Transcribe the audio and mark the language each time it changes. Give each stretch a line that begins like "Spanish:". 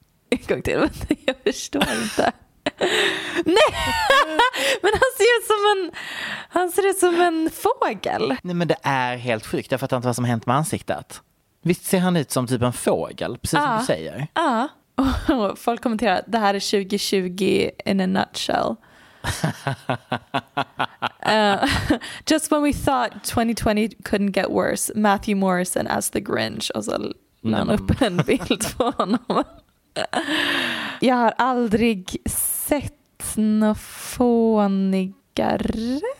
Swedish: En gång till, jag förstår inte. Nej, men han ser ut som en fågel. Nej, men det är helt sjukt, jag fattar inte vad som hänt med ansiktet. Visst ser han ut som typ en fågel, precis som du säger. Ja, och folk kommenterar att det här är 2020
English: in a nutshell. Just when we thought 2020 couldn't get worse, Matthew Morrison as the Grinch.
Swedish: Och så la han upp en bild på honom. Jag har aldrig sett något fånigare.